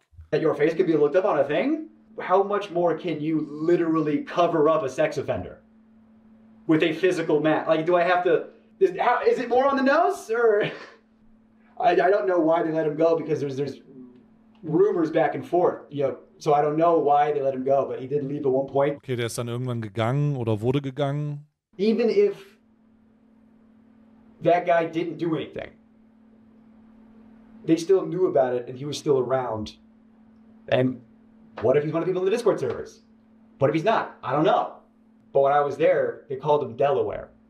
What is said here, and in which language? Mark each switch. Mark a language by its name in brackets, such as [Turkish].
[English] That your face could be looked up on a thing? How much more can you literally cover up a sex offender with a physical mask? Like, do I have to, is it more on the nose? Or I don't know why they let him go, because there's rumors back and forth. You know, so I don't know why they let him go, but he did leave at one point. [German] Okay, der ist dann irgendwann gegangen oder wurde gegangen. [English] Even if that guy didn't do anything, they still knew about it and he was still around. And what if he's one of the people in the Discord servers? What if he's not? I don't know. But when I was there, they called him Delaware.